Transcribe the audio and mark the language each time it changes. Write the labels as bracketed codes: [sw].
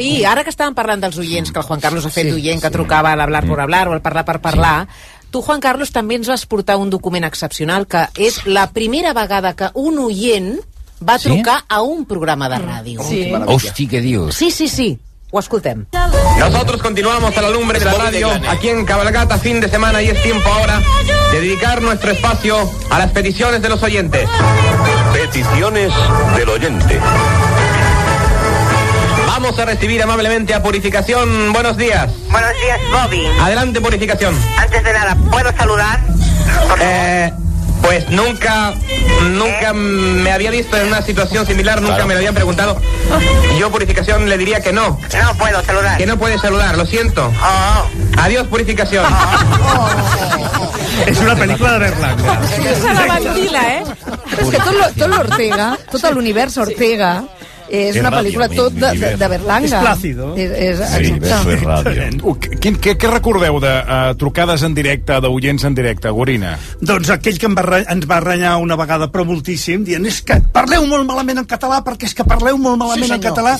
[ca] Sí, ara que estàvem parlant dels oients, que el Juan Carlos ha fet d'oient, que trucava a l'Hablar por Hablar o al Parlar per Parlar... Tu, Juan Carlos, també ens vas portar un document excepcional, que és la primera vegada que un oient... va trucar a un programa de ràdio. Sí. Hosti, que dius. Sí, sí, sí. Ho escoltem. [es] Nosotros continuamos a la lumbre de la ràdio aquí en Cabalgata, fin de semana, y es tiempo ahora de dedicar nuestro espacio a las peticiones de los oyentes. Peticiones del oyente. Vamos a recibir amablemente a Purificación. Buenos días. Buenos días, Bobby. Adelante, Purificación. Antes de nada, ¿puedo saludar? Pues nunca me había visto en una situación similar, nunca claro. Me lo habían preguntado. Yo, Purificación, le diría que no. No puedo saludar. Que no puede saludar, lo siento. Oh. Adiós, Purificación. Es una película de Berlanga. Es una bandila, ¿eh? Es que todo lo Ortega, todo el universo Ortega, [ca] és una pel·lícula tot de Berlanga. És plàcido. Què recordeu de trucades en directe, d'oients en directe, Gorina? Doncs aquell que ens va renyar una vegada, però moltíssim, dient, és que parleu molt malament en català, perquè és que parleu molt malament en català,